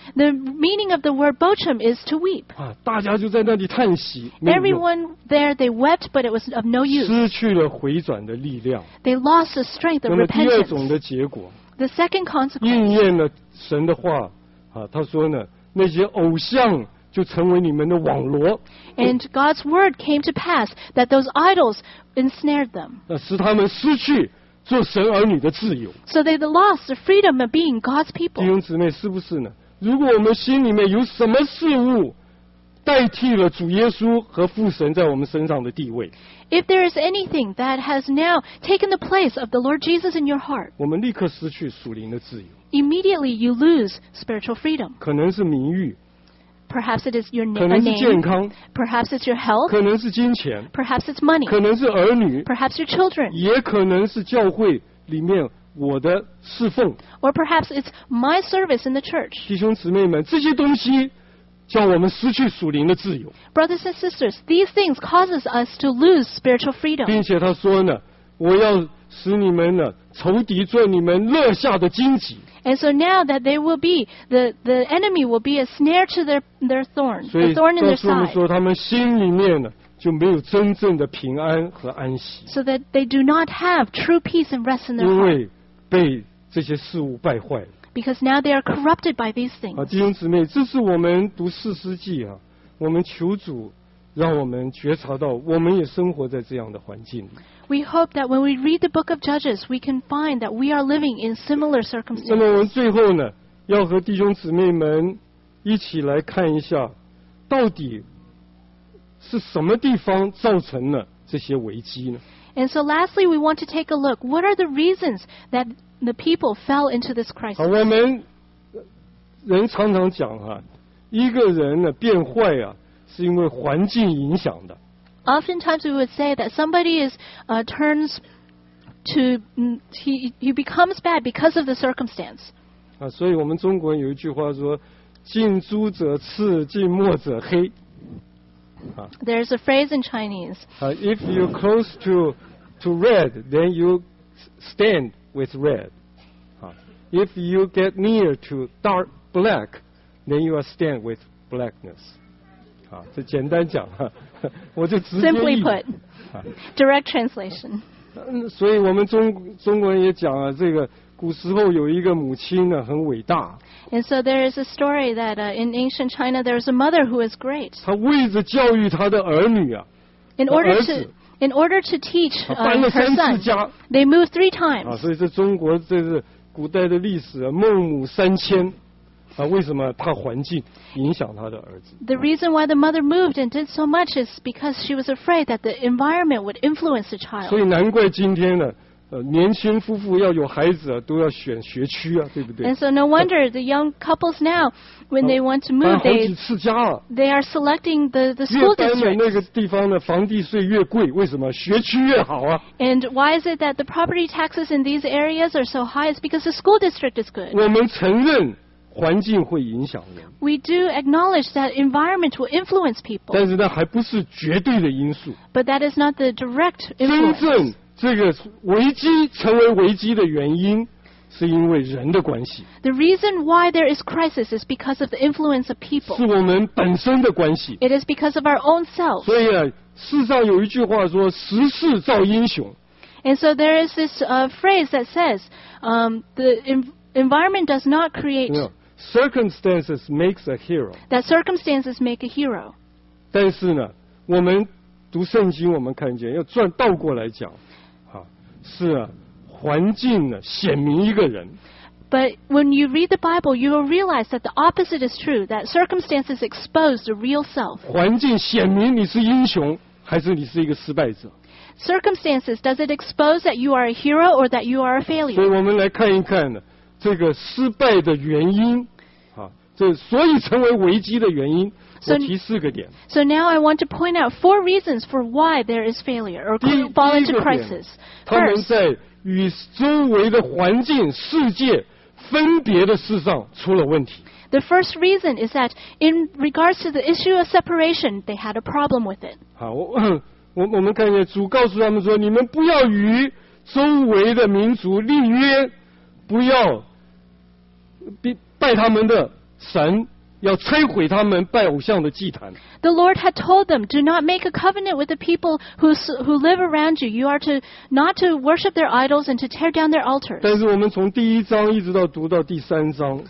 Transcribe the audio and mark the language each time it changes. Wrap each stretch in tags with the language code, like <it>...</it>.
<en>The meaning of the word bochim is to weep.</en> <zh>大家就在那里叹息。</zh> <en>Everyone there they wept, but it was of no use.</en> <zh>失去了回转的力量。</zh> <en>They lost the strength of repentance.</en> <zh>那么第二种的结果。</zh> <en>The second consequence.</en> <zh>应验了神的话，啊，他说呢，那些偶像就成为你们的网罗。</zh> <en>And God's word came to pass that those idols ensnared them.</en> <zh>那使他们失去做神儿女的自由。</zh> <en>So they lost the freedom of being God's people.</en> <zh>弟兄姊妹，是不是呢？如果我们心里面有什么事物代替了主耶稣和父神在我们身上的地位。</zh> <en>If there is anything that has now taken the place of the Lord Jesus in your heart,</en> <zh>我们立刻失去属灵的自由。</zh> <en>Immediately you lose spiritual freedom.</en> <zh>可能是名誉。</zh> <en>Perhaps it is your name.</en> <zh>可能是健康。</zh> <en>Perhaps it's your health.</en> <zh>可能是金钱。</zh> <en>Perhaps it's money.</en> <zh>可能是儿女。</zh> <en>Perhaps your children.</en> <zh>也可能是教会里面我的侍奉。</zh> <en>Or perhaps it's my service in the church.</en> <zh>弟兄姊妹们，这些东西叫我们失去属灵的自由。</zh> <en>Brothers and sisters, these things causes us to lose spiritual freedom.</en> <zh>并且他说呢，我要使你们呢，仇敌做你们肋下的荆棘。</zh> <en>And so now that there will be the enemy will be a snare to their thorn, the thorn in their side.</en> <zh>所以告诉说他们心里面呢就没有真正的平安和安息。</zh> <en>So that they do not have true peace and rest in their heart.</en> <zh>因为被这些事物败坏了。</zh> <en>Because now they are corrupted by these things.</en> <zh>啊，弟兄姊妹，这是我们读四世纪啊，我们求主让我们觉察到，我们也生活在这样的环境。</zh> <en>We hope that when we read the book of Judges, we can find that we are living in similar circumstances.</en> <zh>那么我们最后呢，要和弟兄姊妹们一起来看一下，到底是什么地方造成了这些危机呢？</zh> <en>And so lastly, we want to take a look. What are the reasons that the people fell into this crisis?</en> <zh>我们人常常讲哈，一个人呢变坏啊，是因为环境影响的。</zh> <en>Oftentimes we would say that somebody is turns to he becomes bad because of the circumstance.</en> <zh>啊，所以我们中国人有一句话说，近朱者赤，近墨者黑。</zh> <en>There's a phrase in Chinese. If you're close to red, then you stand with red. If you get near to dark black, then you are stand with blackness.</en> <zh>啊，这简单讲哈，我就直接。</zh> <en>Simply put, direct translation.</en> <zh>所以我们中国人也讲啊，这个古时候有一个母亲呢，很伟大。 And so there is a story that in ancient China there is a mother who is great. 她为着教育她的儿女啊</zh> <en>，in order to teach her son, they moved three times.</en> <zh>啊，所以这中国这是古代的历史啊，孟母三迁。啊，为什么怕环境影响他的儿子</zh> <en>？The reason why the mother moved and did so much is because she was afraid that the environment would influence the child.</en> <zh>所以难怪今天呢，年轻夫妇要有孩子啊，都要选学区啊，对不对</zh> <en>？And so no wonder the young couples now, when they want to move, they are selecting the school district.</en> <zh>越搬到那个地方呢，房地税越贵，为什么？学区越好啊。</zh> <en>And why is it that the property taxes in these areas are so high? It's because the school district is good.</en> <zh>我们承认。环境会影响人。</zh> <en>We do acknowledge that environment will influence people.</en> <zh>但是那还不是绝对的因素。</zh> <en>But that is not the direct influence.</en> <zh>真正这个危机成为危机的原因，是因为人的关系。</zh> <en>The reason why there is crisis is because of the influence of people.</en> <zh>是我们本身的关系。</zh> <en>It is because of our own selves.</en> <zh>所以啊，世上有一句话说，时势造英雄。</zh> <en>And so there is this phrase that says, the environment does not create. No. Circumstances makes a hero. That circumstances make a hero.</en> <zh>但是呢，我们读圣经，我们看见要转倒过来讲，啊，是啊，环境呢显明一个人。</zh> <en>But when you read the Bible, you will realize that the opposite is true. That circumstances expose the real self.</en> <zh>环境显明你是英雄，还是你是一个失败者。</zh> <en>Circumstances does it expose that you are a hero or that you are a failure?</en> <zh>所以我们来看一看呢。这个失败的原因，啊，这所以成为危机的原因，我提四个点。</zh> <en>So now I want to point out four reasons for why there is failure or fall into crisis.</en> <zh>他们在与周围的环境、世界分别的事上出了问题。</zh> <en>The first reason is that in regards to the issue of separation, they had a problem with it.</en> <zh>好，我们看见主告诉他们说：“你们不要与周围的民族立约。”不要拜他们的神，要摧毁他们拜偶像的祭坛。</zh> <en>The Lord had told them, do not make a covenant with the people who live around you. You are to not to worship their idols and to tear down their altars.</en> <zh>但是我们从第一章一直到读到第三章。</zh>